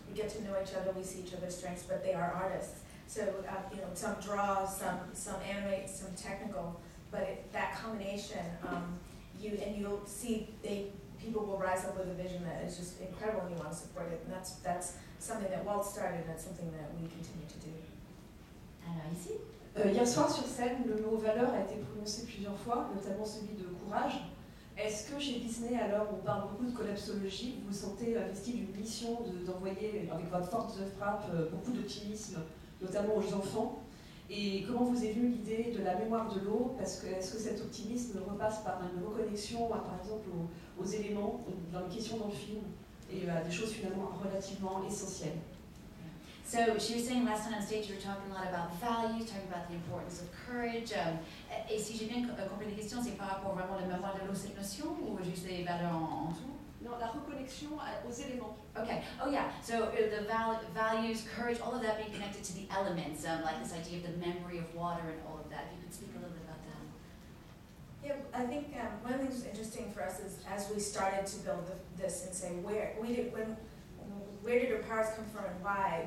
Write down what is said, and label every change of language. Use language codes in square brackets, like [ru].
[en] We get to know each other, we see each other's strengths, but they are artists. So, some draw, some animate, some technical, but that combination, you'll see people will rise up with a vision that is just incredible and you want to support it. And that's something that Walt started, and that's something that we continue to do. [fr] Alors ici. Hier soir sur scène, le mot valeur a été prononcé plusieurs fois, notamment celui de courage. Est-ce que chez Disney, alors on parle beaucoup de collapsologie, vous vous sentez investi d'une mission d'envoyer avec votre force de frappe beaucoup d'optimisme, notamment aux enfants? Et comment vous est venue l'idée de la mémoire de l'eau? Parce que est-ce que cet optimisme repasse par une reconnexion, par exemple aux éléments, dans les questions dans le film, et des choses finalement relativement essentielles? [en] So she was saying last night on stage, you were talking a lot about values, talking about the importance of courage. [fr] Et si j'ai bien compris les questions, c'est par rapport vraiment à la mémoire de l'eau, cette notion, ou juste les valeurs en tout? Non, la reconnexion aux éléments. [en] Okay, oh yeah, so the values, courage, all of that being connected to the elements, like this idea of the memory of water and all of that. You could speak a little bit about that. Yeah, I think one of the things interesting for us is as we started to build this and say where did our powers come from and why?